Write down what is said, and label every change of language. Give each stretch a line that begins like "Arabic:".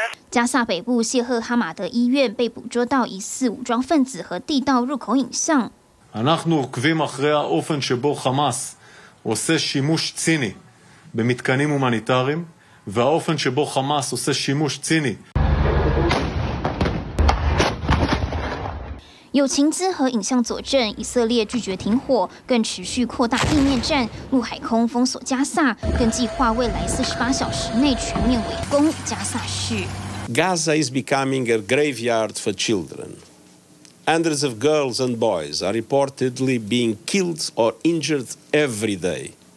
Chinese: 加萨北部谢赫哈马德医院被捕捉到疑似武装分子和地道入口影像。
Hebrew: אנחנו עוקבים אחרי האופן שבו חמאס עושה שימוש ציני במתקנים הומניטריים והאופן שבו חמאס עושה שימוש ציני.
Chinese: 有情资和影像佐证，以色列拒绝停火，更持续扩大地面战，陆海空封锁加萨，更计划未来48小时内全面围攻加萨市。
English: Gaza is becoming a graveyard for children. Hundreds of girls and boys are reportedly being killed or injured every day.